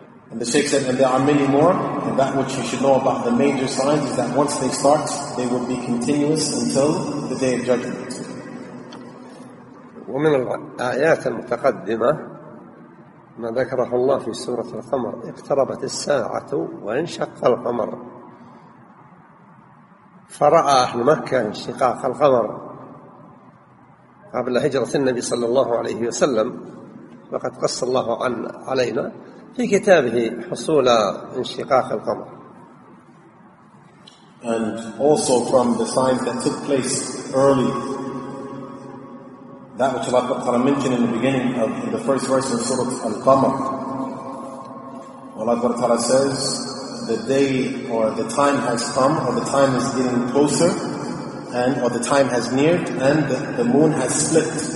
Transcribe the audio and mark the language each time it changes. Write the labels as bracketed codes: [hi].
[en] And the Shaykh said, and there are many more, and that which you should know about the major signs is that once they start, they will be continuous until the Day of Judgment. [ar] ومن الآيات المتقدمة ما ذكره الله في سورة القمر، اقتربت الساعة وانشق القمر، فرأى أهل مكة انشقاق القمر قبل هجرة النبي صلى الله عليه وسلم، وقد قص الله علينا في كتابه حصول انشقاق القمر. [en] And also from the signs that took place early, that which Allah mentioned in the beginning of in the first verse of Surah Al-Qamar, Allah says, the day or the time has come, or the time is getting closer, and or the time has neared, and the moon has split.